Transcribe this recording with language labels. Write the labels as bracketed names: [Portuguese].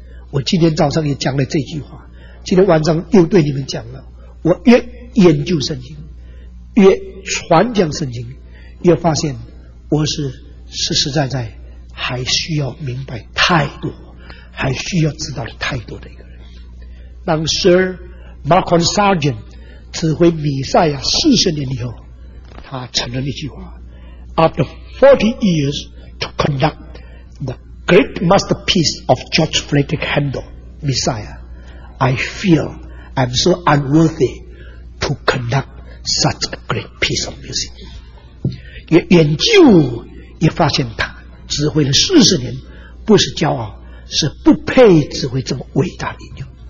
[Chinese] 我今天早上也讲了这句话，今天晚上又对你们讲了，我越研究圣经，越传讲圣经，越发现我是实实在在还需要明白太多，还需要知道的太多的一个人。当 Sir Malcolm Sargent 指挥弥赛亚40年以后，他承认一句话， [English] After 40 years to conduct the great masterpiece of George Frederick Handel Messiah, I feel I'm so unworthy to conduct such a great piece of music. [Chinese] 也研究也发现他指挥了40年，不是骄傲，是不配指挥这么伟大的音乐。